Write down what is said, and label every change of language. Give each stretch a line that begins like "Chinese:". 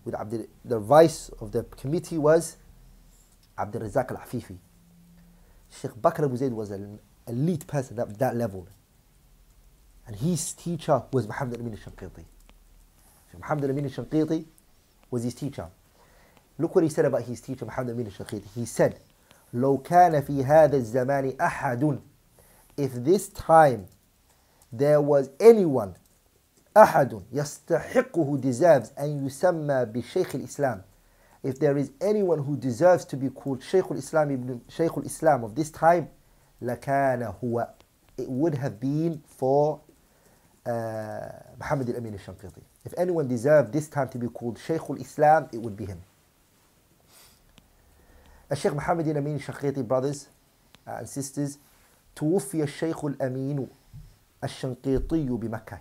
English: The vice of the committee was Abdul Razak al-Afifi. Sheikh Bakr Abu Zayd was an elite person at that level. And his teacher was Muhammad Amin al-Shanqiti. Sheikh Muhammad Amin al-Shanqiti was his teacher. Look what he said about his teacher, Muhammad Amin al-Shanqiti.
Arabic: He said, لو كان في هذا الزمان أحد,
English: if this time there was anyone
Arabic: أحد يستحقه
English: deserves
Arabic: أن يسمى بشيخ الإسلام.
English: If there is anyone who deserves to be called شيخ الإسلام,
Arabic: ابن شيخ الإسلام
English: of this time,
Arabic: لكان هو.
English: It would have been for محمد الأمين الشنقيطي. If anyone deserved this time to be called شيخ الإسلام, it would be him.
Arabic: الشيخ محمد الأمين الشنقيطي,
English: brothers and sisters,
Arabic: توفي الشيخ الأمين الشنقيطي بمكة.